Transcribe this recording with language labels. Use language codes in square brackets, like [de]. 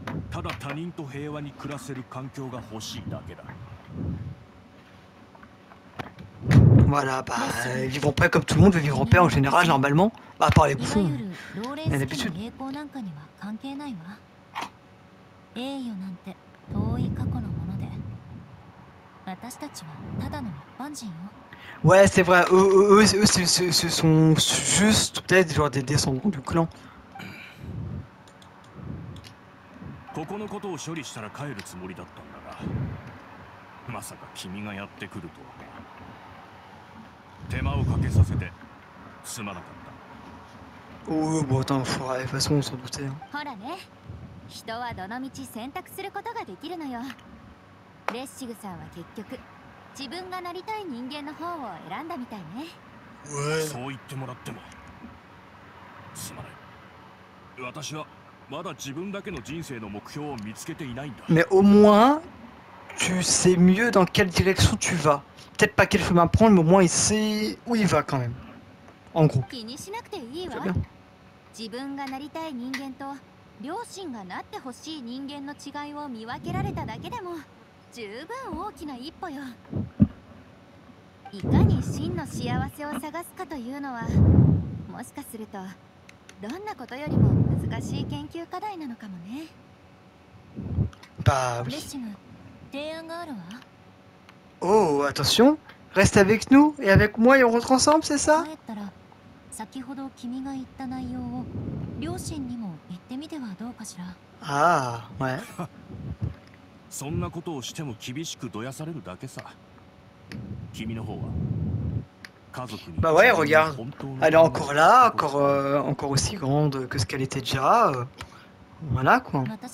[ja] ただ他人と平和に暮らせる環境が欲しいだけだ。 [fr] Voilà, bah, vivre en paix comme tout le monde veut vivre en paix en général, normalement, à part les bouffons. D'habitude. [ja] 栄光なんかには関係ないわ。栄誉なんて遠い過去のもので。私たちはただの一般人よ。 [fr] Ouais, c'est vrai. Eux, ce sont juste peut-être genre des descendants du clan. [ja] ここのことを処理したら帰るつもりだったんだが、まさか君がやってくるとは。手間をかけさせてすまなかった。おお、ボタンフライ、ファソンソンのせい。ほらね、人はどの道選択することができるのよ。レッシグさんは結局自分がなりたい人間の方を選んだみたいね。そう言ってもらってもすまない。私はまだ自分だけの人生の目標を見つけていないんだ。 [fr] Mais au moins, tu sais mieux dans quelle direction tu vas. Peut-être pas quel chemin prendre, mais au moins il sait où il va quand même. En gros. [ja] 気にしなくていいわ。自分がなりたい人間と両親がなってほしい人間の違いを見分けられただけでも十分大きな一歩よ。いかに真の幸せを探すかというのは、もしかするとどんなことよりも難しい研究課題なのかもね。バブ。レッシング、提案があるわ。 [fr] おお、attention、reste avec nous et avec moi et on rentre ensemble、c'est ça? [ja] 帰ったら、先ほど君が言った内容を両親にも言ってみてはどうかしら。ああ、ね。そんなことをしても厳しくどやされるだけさ。君の方は。 [fr] Bah ouais, regarde, elle est encore là, encore aussi grande que ce qu'elle était déjà. Voilà quoi.